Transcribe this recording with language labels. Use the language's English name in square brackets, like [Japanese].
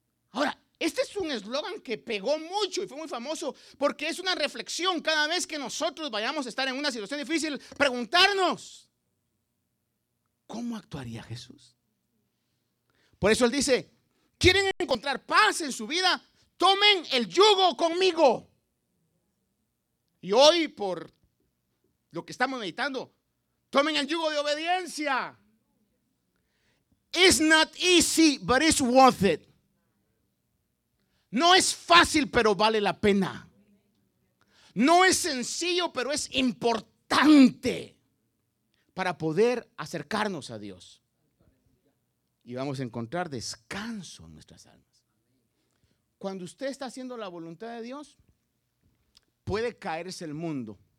[Spanish] Ahora, este es un eslogan que pegó mucho y fue muy famoso porque es una reflexión cada vez que nosotros vayamos a estar en una situación difícil, preguntarnos, ¿cómo actuaría Jesús? Por eso él dice, ¿quieren encontrar paz en su vida? Tomen el yugo conmigo. Y hoy por lo que estamos meditando, tomen el yugo de obediencia. [English] It's not easy, but it's worth it. [Spanish] No es fácil, pero vale la pena. No es sencillo, pero es importante para poder acercarnos a Dios. Y vamos a encontrar descanso en nuestras almas. Cuando usted está haciendo la voluntad de Dios, puede caerse el mundo.